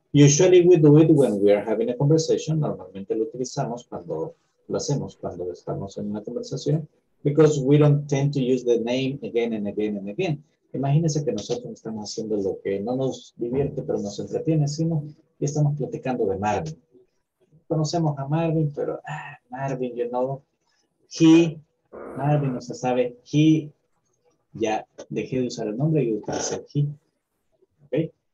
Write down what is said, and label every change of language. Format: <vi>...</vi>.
<en>Usually we do it when we are having a conversation.</en> <es>Normalmente lo utilizamos cuando lo hacemos, cuando estamos en una conversación.</es> <en>Because we don't tend to use the name again and again and again.</en> <es>Imagínense que nosotros estamos haciendo lo que no nos divierte, pero nos entretiene, sino y estamos platicando de Marvin. Conocemos a Marvin, pero Marvin, you know, he, Marvin no se sabe, he, ya dejé de usar el nombre y utilicé he. ¿Okay?</es>